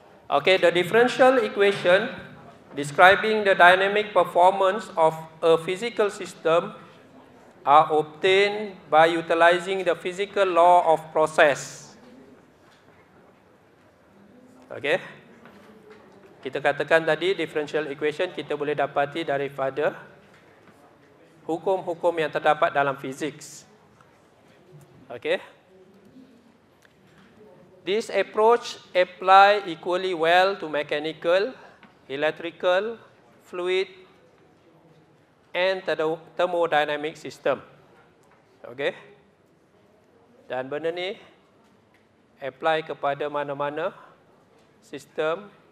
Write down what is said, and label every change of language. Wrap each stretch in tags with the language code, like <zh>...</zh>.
<en>Okay, the differential equation describing the dynamic performance of a physical system are obtained by utilizing the physical law of process. Okay.</en> <ms>Kita katakan tadi differential equation kita boleh dapati daripada hukum-hukum yang terdapat dalam physics. Okay.</ms> <en>This approach apply equally well to mechanical, electrical, fluid, and thermodynamic system.</en> <ms>Okay. Dan benda ni apply kepada mana-mana sistem.</ms>